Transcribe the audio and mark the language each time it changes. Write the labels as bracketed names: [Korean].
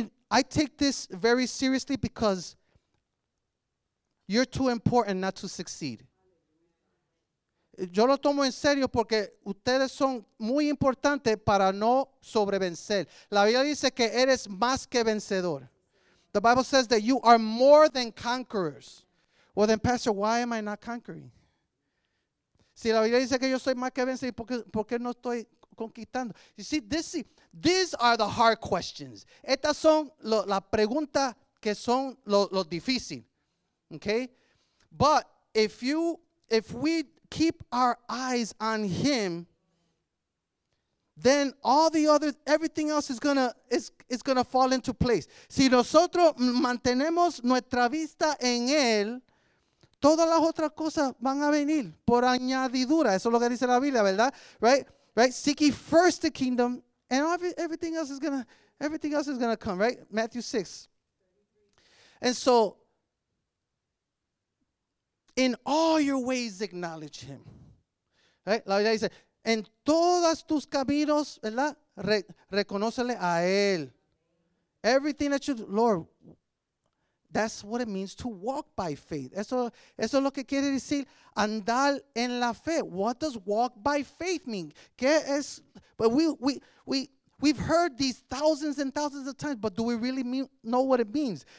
[English] I take this very seriously because you're too important not to succeed. [Spanish] Yo lo tomo en serio porque ustedes son muy importantes para no sobrevencer. La Biblia dice que eres más que vencedor. [English] The Bible says that you are more than conquerors. Well then, Pastor, why am I not conquering? [Spanish] Si la Biblia dice que yo soy más que vencedor, ¿por qué no estoy conquistando? [English] You see, these are the hard questions. [Spanish] Estas son las preguntas que son lo difícil. Okay? [English] But if we keep our eyes on him, then everything else is gonna fall into place. [Spanish] Si nosotros mantenemos nuestra vista en él, todas las otras cosas van a venir por añadidura. Eso es lo que dice la Biblia, ¿verdad? [English] Right? Seek ye first the kingdom, and everything else is gonna come, right? Matthew 6. And so, in all your ways acknowledge him. Right? [Spanish] La Biblia dice, en todos tus caminos, ¿verdad? Reconócele a él. [English] Everything that you do, Lord, that's what it means to walk by faith. [Spanish] Eso es lo que quiere decir andar en la fe. [English] What does walk by faith mean? [Spanish] ¿Qué es? [English] But we've heard these thousands and thousands of times, but do we really know what it means?